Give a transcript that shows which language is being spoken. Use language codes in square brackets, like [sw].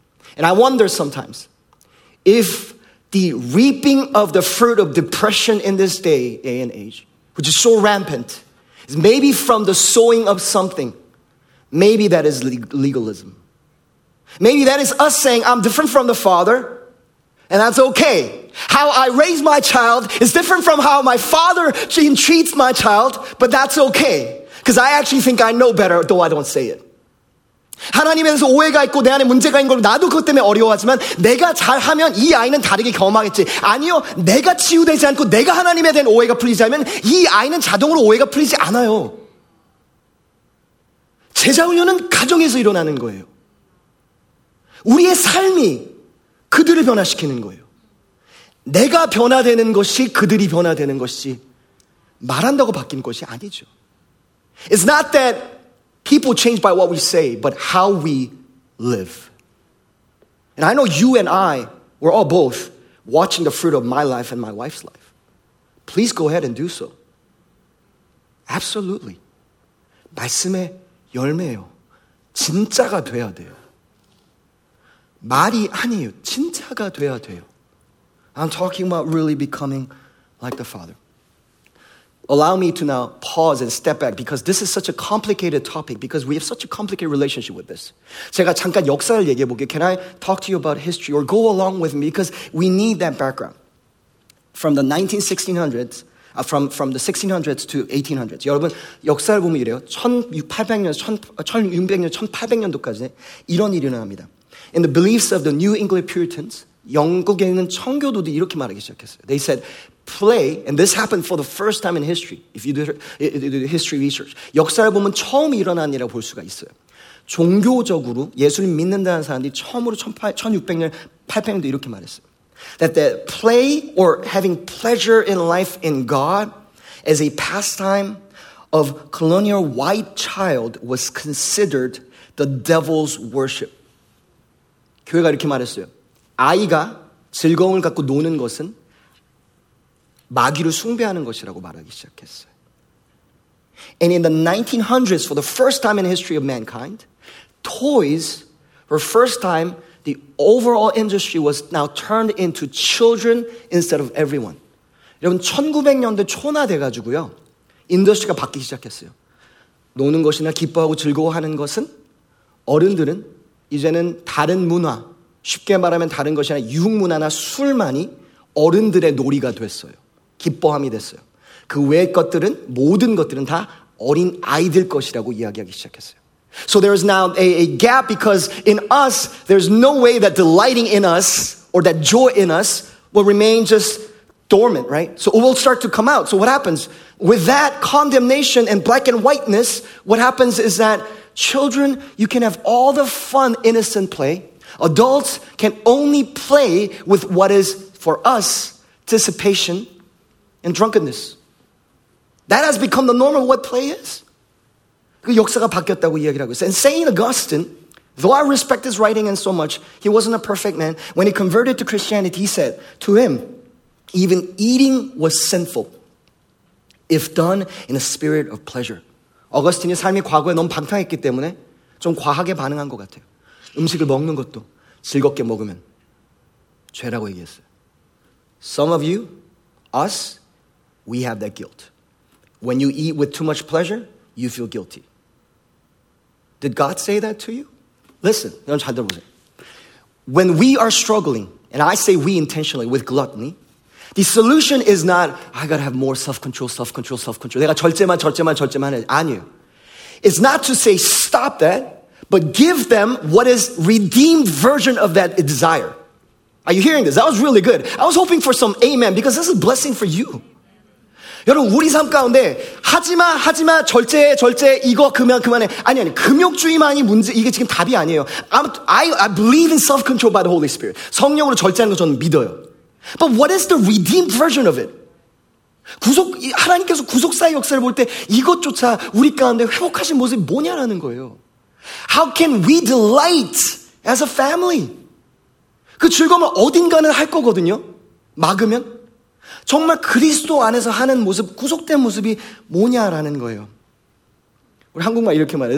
[en] And I wonder sometimes if the reaping of the fruit of depression in this day and age, which is so rampant, is maybe from the sowing of something. Maybe that is legalism. Maybe that is us saying, I'm different from the father, and that's okay. How I raise my child is different from how my father treats my child, but that's okay. Because I actually think I know better, though I don't say it. [ko] 하나님에 대해서 오해가 있고 내 안에 문제가 있는 걸 나도 그것 때문에 어려워하지만 내가 잘하면 이 아이는 다르게 경험하겠지. 아니요, 내가 치유되지 않고 내가 하나님에 대한 오해가 풀리지 않으면 이 아이는 자동으로 오해가 풀리지 않아요. 제자 훈련은 가정에서 일어나는 거예요. 우리의 삶이 그들을 변화시키는 거예요. 내가 변화되는 것이 그들이 변화되는 것이 말한다고 바뀐 것이 아니죠. [en] It's not that people change by what we say, but how we live. And I know you and I, we're all both watching the fruit of my life and my wife's life. Please go ahead and do so. Absolutely. [ko] 말씀의 열매요. 진짜가 돼야 돼요. 말이 아니에요. 진짜가 돼야 돼요. [en] I'm talking about really becoming like the Father. Allow me to now pause and step back because this is such a complicated topic because we have such a complicated relationship with this. [ko] 제가 잠깐 역사를 얘기해 볼게요. [en] Can I talk to you about history or go along with me because we need that background. From the 1600s, from the 1600s to 1800s. [ko] 여러분, 역사를 보면 이래요. 1600년, 1800년도까지 이런 일이 일어납니다. [en] In the beliefs of the New English Puritans, [ko] 영국에 있는 청교도들이 이렇게 말하기 시작했어요. [en] They said, play, and this happened for the first time in history, if you do history research. [ko] 역사를 보면 처음 일어난 일이라고 볼 수가 있어요. 종교적으로 예수를 믿는다는 사람들이 처음으로 1600년, 800년도 이렇게 말했어요. [en] That the play or having pleasure in life in God as a pastime of colonial white child was considered the devil's worship. [ko] 교회가 이렇게 말했어요. 아이가 즐거움을 갖고 노는 것은 마귀를 숭배하는 것이라고 말하기 시작했어요. [en] And in the 1900s, for the first time in the history of mankind, toys were first time the overall industry was now turned into children instead of everyone. [ko] 여러분, 1900년대 초나 돼가지고요, 인더스트리가 바뀌기 시작했어요. 노는 것이나 기뻐하고 즐거워하는 것은 어른들은 이제는 다른 문화, 쉽게 말하면 다른 것이나 유흥문화나 술만이 어른들의 놀이가 됐어요. 기뻐함이 됐어요. 그 외의 것들은 모든 것들은 다 어린 아이들 것이라고 이야기하기 시작했어요. [en] So there is now a gap because in us there's no way that delighting in us or that joy in us will remain just dormant, right? So it will start to come out. So what happens? With that condemnation and black and whiteness, what happens is that children, you can have all the fun, innocent play. Adults can only play with what is, for us, dissipation and drunkenness. That has become the norm of what play is. [ko] 그 역사가 바뀌었다고 이야기를 하고 있어요. [en] And St. Augustine, though I respect his writing and so much, he wasn't a perfect man. When he converted to Christianity, he said to him, even eating was sinful if done in a spirit of pleasure. [ko] 어거스틴이 삶이 과거에 너무 방탕했기 때문에 좀 과하게 반응한 것 같아요. 음식을 먹는 것도 즐겁게 먹으면 죄라고 얘기했어요. [en] Some of you, us, we have that guilt. When you eat with too much pleasure, you feel guilty. Did God say that to you? Listen, [ko] 이건 잘 들어보세요. [en] When we are struggling, and I say we intentionally, with gluttony, the solution is not, I gotta have more self-control, self-control, self-control. [ko] 내가 절제만, 절제만, 절제만 해. 아니요. [en] It's not to say, stop that, but give them what is redeemed version of that desire. Are you hearing this? That was really good. I was hoping for some amen, because this is a blessing for you. [ko] 여러분, 우리 삶 가운데, 하지마, 하지마, 절제해, 절제해, 이거 그만, 그만해. 아니, 아니, 금욕주의만이 문제, 이게 지금 답이 아니에요. [en] I believe in self-control by the Holy Spirit. [ko] 성령으로 절제하는 거 저는 믿어요. [en] But what is the redeemed version of it? [ko] 구속, 하나님께서 구속사의 역사를 볼 때 이것조차 우리 가운데 회복하신 모습이 뭐냐라는 거예요. [en] How can we delight as a family? [ko] 그 즐거움을 어딘가는 할 거거든요. 막으면. 정말 그리스도 안에서 하는 모습, 구속된 모습이 뭐냐라는 거예요. 우리 한국말 이렇게 말해요.